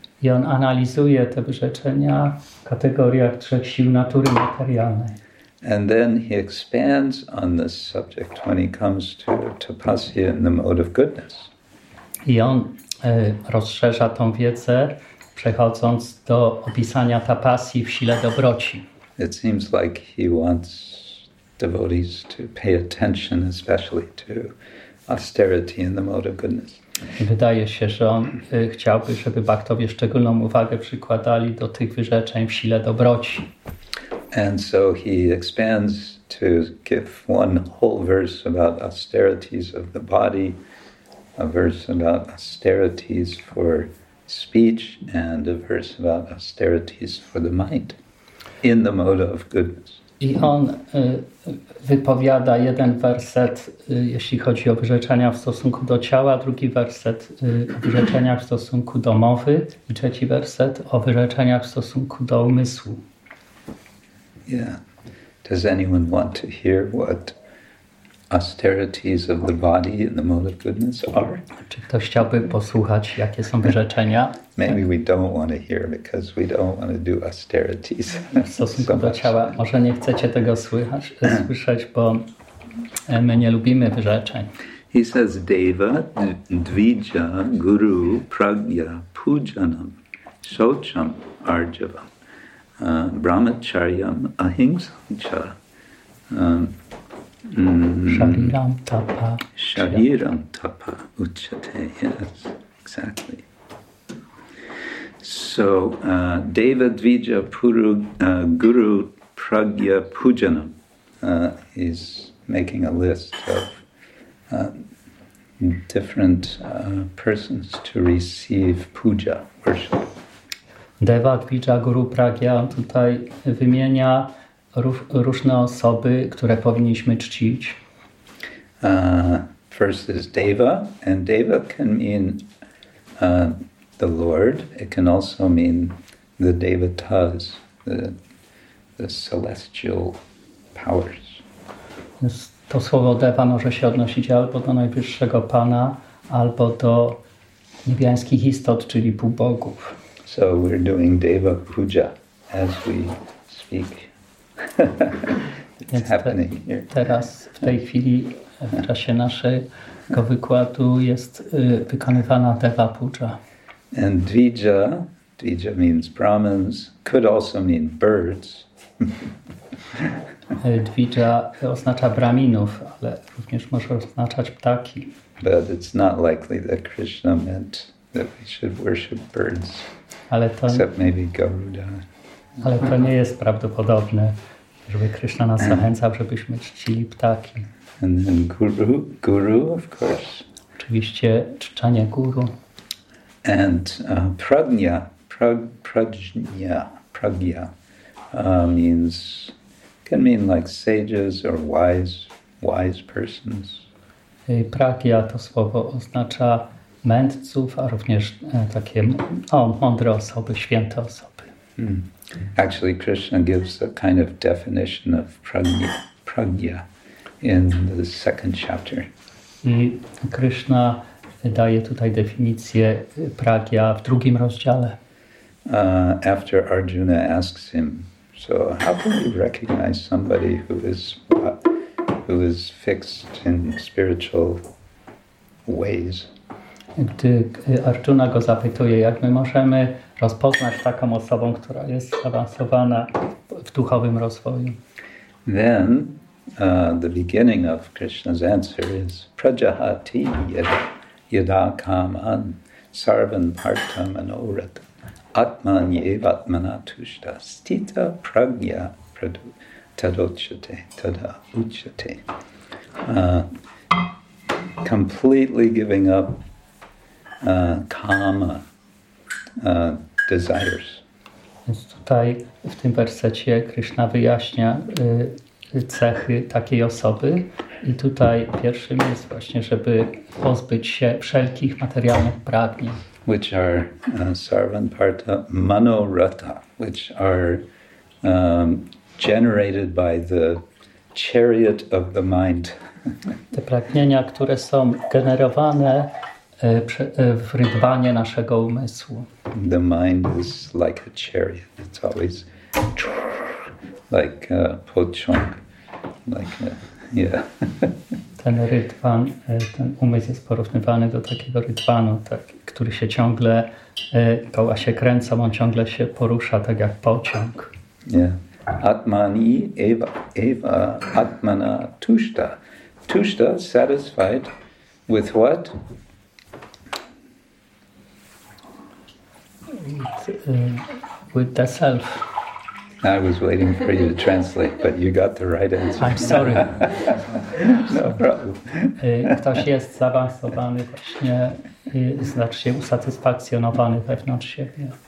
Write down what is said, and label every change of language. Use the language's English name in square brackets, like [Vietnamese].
[Polish] I on analizuje te wyrzeczenia w kategoriach trzech sił natury materialnej. [English] And then he expands on this subject when he comes to tapasya in the mode of goodness. [Polish] I on rozszerza tą wiedzę, przechodząc do opisania tapasji w sile dobroci. [English] It seems like he wants devotees to pay attention especially to austerity in the mode of goodness. [Polish] Wydaje się, że on chciałby, żeby bhaktowie szczególną uwagę przykładali do tych wyrzeczeń w sile dobroci. [English] And so he expands to give one whole verse about austerities of the body, a verse about austerities for speech, and a verse about austerities for the mind in the mode of goodness. [Polish] I on wypowiada jeden werset, jeśli chodzi o wyrzeczenia w stosunku do ciała, drugi werset o wyrzeczeniach w stosunku do mowy i trzeci werset o wyrzeczeniach w stosunku do umysłu. [English] Yeah. Does anyone want to hear what austerities of the body in the mode of goodness are? [Polish] Czy ktoś chciałby posłuchać, jakie są wyrzeczenia? [English] Maybe we don't want to hear because we don't want to do austerities. [Polish] W stosunku do ciała. Może nie chcecie tego słyszeć, bo my nie lubimy wyrzeczeń. [English] He says, [Sanskrit] Deva dvija guru pragya pujanam shocham arjavam. Brahmacharyam ahimsam cha. Shariram tapa. Shariram tapa uchate. [English] Yes, exactly. [Sanskrit] So, Deva dvija puru guru pragya pujanam. [English] He's making a list of different persons to receive puja, worship. [Sanskrit] Deva dvija guru pragya, [Polish] on tutaj wymienia różne osoby, które powinniśmy czcić. [English] First is Deva, and Deva can mean the Lord. It can also mean the devatas, the celestial powers. [Polish] To słowo Deva może się odnosić albo do najwyższego Pana, albo do niebiańskich istot, czyli półbogów. [English] So we're doing Deva Puja as we speak. It's happening here. [Polish] Teraz, w tej chwili, w czasie naszego wykładu jest wykonywana Deva Puja. [English] And Dvija, Dvija means Brahmins, could also mean birds. [Polish] Dvija oznacza Brahminów, ale również może oznaczać ptaki. [English] But it's not likely that Krishna meant that we should worship birds. [Polish] Ale to, [English] except maybe Garuda. [Polish] Ale to nie jest prawdopodobne, żeby Krishna nas zachęcał, żebyśmy czcili ptaki. [English] And then guru, guru, of course. [Polish] Oczywiście czczanie guru. [English] And pragnya, pragnya, pragya means, can mean like sages or wise persons. [Polish] Pragya to słowo oznacza mędrców, a również takie mądre osoby, święte osoby. [English] Hmm. Actually, Krishna gives a kind of definition of pragya in the second chapter. [Polish] I Krishna daje tutaj definicję pragya w drugim rozdziale. [English] After Arjuna asks him, so how can you recognize somebody who is fixed in spiritual ways? [Polish] Gdy Arjuna go zapytuje, jak my możemy rozpoznać taką osobą, która jest zaawansowana w duchowym rozwoju. [English] Then the beginning of Krishna's answer is [Sanskrit] prajahati yada kaman sarvan partha manorat atman yevatmana tushta stita pragya pradu tadochate tada uchate. [English] Completely giving up kama, desires. [Polish] Więc tutaj w tym wersecie Krishna wyjaśnia cechy takiej osoby i tutaj pierwszym jest właśnie, żeby pozbyć się wszelkich materialnych pragnień. [English] Which are [Sanskrit] sarvanparta manorata, [English] which are generated by the chariot of the mind. [Polish] Te pragnienia, które są generowane w rydwanie naszego umysłu. [English] The mind is like a chariot. It's always like pochong, like yeah. [Polish] Ten rytwan, ten umysł jest porównywany do takiego rytwanu, tak, który się ciągle koła się kręca, on ciągle się porusza, tak jak pociąg. [Sanskrit] Yeah. Atmani eva, eva atmana tushta. [English] Tushta, satisfied with what? With the self. I was waiting for you to translate, but you got the right answer. I'm sorry. No problem. [Polish] Ktoś jest zaawansowany właśnie, znaczy się usatysfakcjonowany wewnątrz siebie.